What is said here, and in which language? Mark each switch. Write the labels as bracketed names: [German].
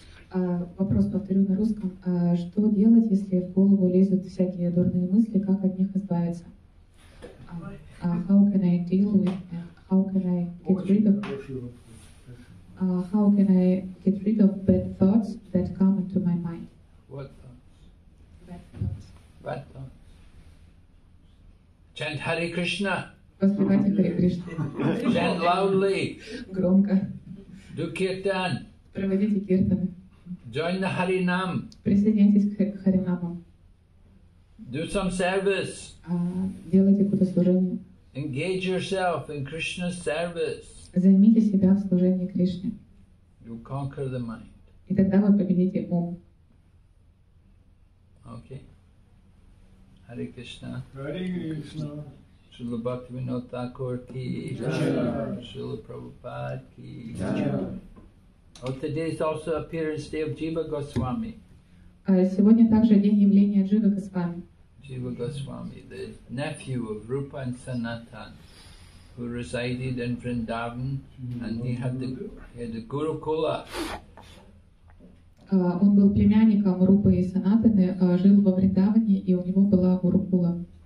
[Russian] Вопрос повторю на русском. Что делать, если в голову лезут всякие дурные мысли, как от них избавиться? [English] How can I deal with, how can I get rid of, how can I get rid of bad thoughts that come into my mind? What thoughts? Bad thoughts. Chant Hare Krishna. [Russian] Воспевайте Hare Krishna. [English] Chant loudly. [Russian] Громко. [English] Do kirtan. [Russian] Проводите киртаны. [English] Join the Харинам. [Russian] Присоединяйтесь к Харинаму. [English] Do some service. [Russian] Делайте какое-то служение. [English] Engage yourself in Krishna's service. [Russian] Займите себя в служении Кришне. [English] You conquer the mind. [Russian] И тогда вы победите ум. [English] Okay. Hare Krishna. Hare Krishna. Srila Bhaktivinoda Thakur ki. Srila Prabhupada ki. Oh, today is also appearance day of Jiva Goswami. [Russian] Сегодня также день явления Джива Госвами. [English] Jiva Goswami, the nephew of Rupa and Sanatan, who resided in Vrindavan, and he had the Gurukula. [Russian] Он был племянником Рупы и Санатаны, жил во Вриндаване, и у него была Гурукула.